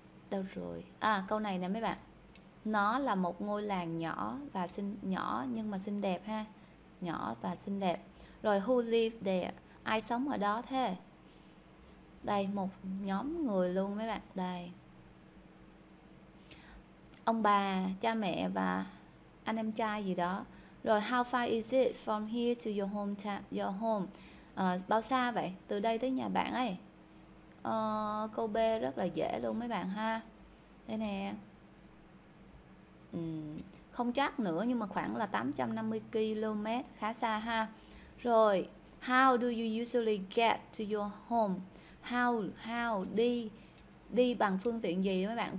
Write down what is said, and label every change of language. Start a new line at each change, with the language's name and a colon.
Vietnamese: Đâu rồi? À, câu này nè mấy bạn. Nó là một ngôi làng nhỏ và xinh, nhỏ nhưng mà xinh đẹp ha. Nhỏ và xinh đẹp. Rồi
English: who live there?
Vietnamese: Ai sống ở đó thế? Đây một nhóm người luôn mấy bạn. Đây. Ông bà, cha mẹ và anh em trai gì đó.
English: Rồi how far is it from here to your home?
Vietnamese: Bao xa vậy? Từ đây tới nhà bạn ấy. Câu B rất là dễ luôn mấy bạn ha. Đây nè. Không chắc nữa nhưng mà khoảng là 850 km, khá xa ha.
English: Rồi, how do you usually get to your home?
Vietnamese: How đi đi bằng phương tiện gì mấy bạn?